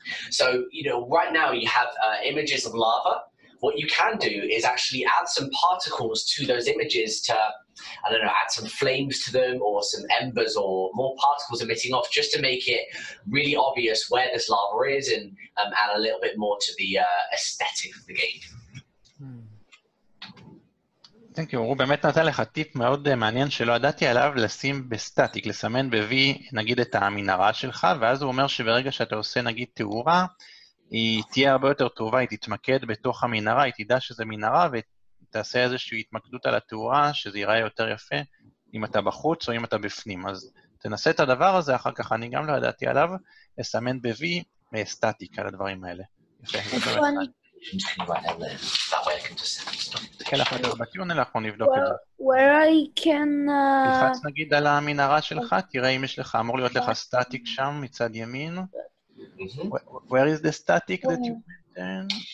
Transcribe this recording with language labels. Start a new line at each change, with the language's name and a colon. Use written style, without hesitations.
English: So, you know, right now you have images of lava. What you can do is actually add some particles to those images to, I don't know, add some flames to them or some embers or more particles emitting off just to make it really obvious where this lava is and add a little bit more to the aesthetic of the game. Thank you.
Hebrew: הוא באמת נתן לך טיפ מאוד מעניין שלא ידעתי עליו, לשים בסטטיק, לסמן ב-V נגיד את המנהרה שלך, ואז הוא אומר שברגע שאתה עושה נגיד תאורה, היא תהיה הרבה יותר טובה, היא תתמקד בתוך המנהרה, היא תדע שזה מנהרה, ותעשה איזושהי התמקדות על התאורה, שזה ייראה יותר יפה, אם אתה בחוץ או אם אתה בפנים. אז תנסה את הדבר הזה, אחר כך אני גם לא ידעתי עליו, לסמן ב-V סטטיק על הדברים האלה. יפה, זה לא יפה. נסתכל לך יותר בטיונל, אנחנו נבדוק את זה.
English: Where I can...
Hebrew: תלחץ נגיד על המנהרה שלך, תראה אם יש לך, אמור להיות לך סטטיק שם מצד ימין.
English: Where is the static that you mentioned?